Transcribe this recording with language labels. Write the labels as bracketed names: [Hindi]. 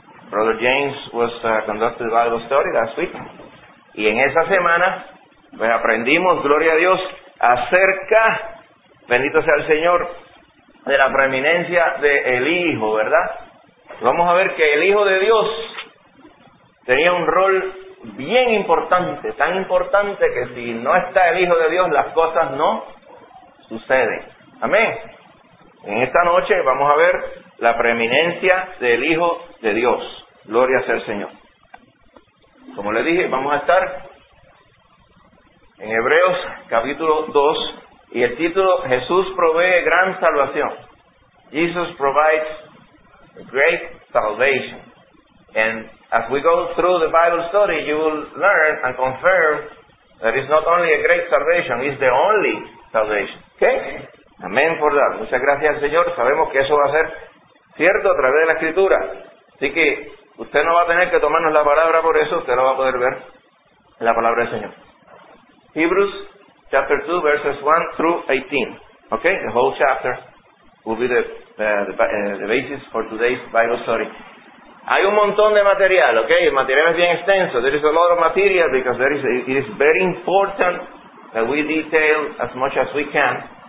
[English] Brother James was conducted the Bible study last week. [Spanish] Y en esa semana, pues aprendimos, gloria a Dios, acerca, bendito sea el Señor, de la preeminencia del Hijo, ¿verdad? Vamos a ver que el Hijo de Dios tenía un rol bien importante, tan importante que si no está el Hijo de Dios, las cosas no suceden. Amén. En esta noche vamos a ver la preeminencia del Hijo de Dios. Gloria sea el Señor. Como le dije, vamos a estar en Hebreos capítulo 2 y el título, Jesús provee gran salvación. [English] Jesus provides great salvation. And as we go through the Bible study, you will learn and confirm that it's not only a great salvation, it's the only salvation. [Spanish] Okay? Amén por dar. Muchas gracias, Señor. Sabemos que eso va a ser cierto a través de la Escritura. Así que usted no va a tener que tomarnos la palabra por eso, usted la va a poder ver en la palabra del Señor. [English] Hebrews chapter 2, verses 1 through 18. Okay? The whole chapter will be the basis for today's Bible study. [Spanish] Hay un montón de material, okay? El material es bien extenso. [English] There is a lot of material because it is very important that we detail as much as we can.